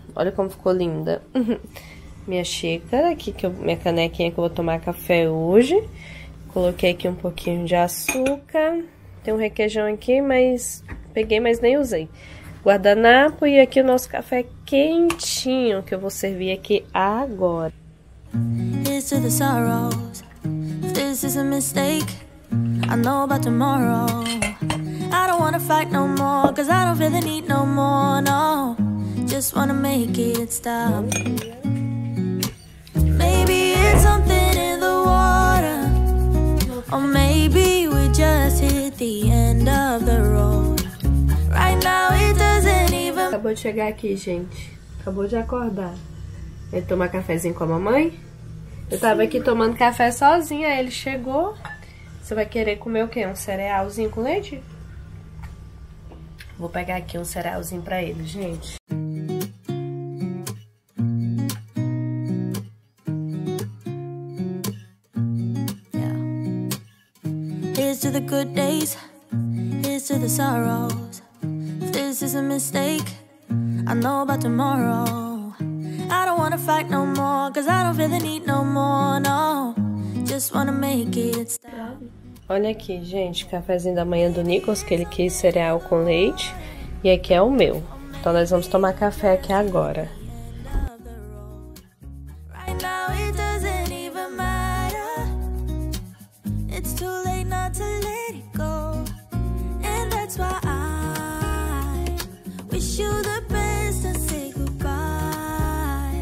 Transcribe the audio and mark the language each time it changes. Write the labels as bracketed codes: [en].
[pt] Olha como ficou linda. Minha xícara aqui, minha canequinha que eu vou tomar café hoje. Coloquei aqui um pouquinho de açúcar. Tem um requeijão aqui, mas peguei, mas nem usei. Guardanapo e aqui o nosso café quentinho que eu vou servir aqui agora. [en] Here's to the sorrows. If this is a mistake, I know about tomorrow. I don't wanna fight no more, 'cause I don't feel the need no more, no. Just wanna make it stop. Maybe it's something in the water, or maybe we just hit the end of the road. Right now it doesn't even. [pt] Acabou de chegar aqui, gente. Acabou de acordar. Vai tomar cafezinho com a mamãe? Eu tava aqui tomando café sozinha, aí ele chegou. Você vai querer comer o quê? Um cerealzinho com leite? Vou pegar aqui um cerealzinho pra ele, gente. [en] Here's to the good days, here's to the sorrows. If this is a mistake, I know about tomorrow. I don't wanna fight no more, 'cause I don't feel the need no more, no. Just wanna make it stop. [pt] Olha aqui, gente, cafezinho da manhã do Nicolas, que ele quis cereal com leite. E aqui é o meu. Então nós vamos tomar café aqui agora. [en] Right now it doesn't even matter. It's too late not to let it go. And that's why I wish you the best and say goodbye.